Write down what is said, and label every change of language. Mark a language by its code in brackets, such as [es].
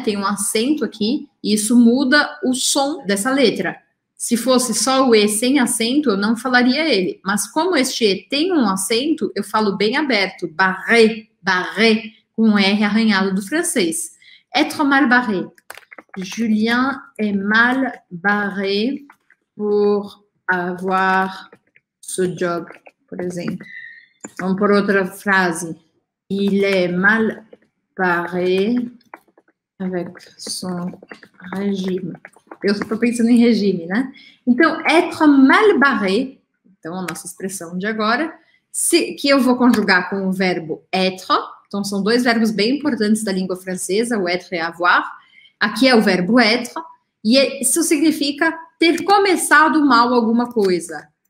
[pt] Tem um acento aqui e isso muda o som dessa letra. Se fosse só o E sem acento, eu não falaria ele. Mas como este E tem um acento, eu falo bem aberto. Barré, barré, com um R arranhado do francês. [fr] Être mal barré. Julien est mal barré pour avoir ce job, [pt] por exemplo. Vamos por outra frase. [fr] Il est mal barré avec son régime. [pt] Eu só estou pensando em regime, né? Então, être mal barré, então a nossa expressão de agora, que eu vou conjugar com o verbo être, então são dois verbos bem importantes da língua francesa, o être e avoir, aqui é o verbo être, e isso significa ter começado mal alguma coisa.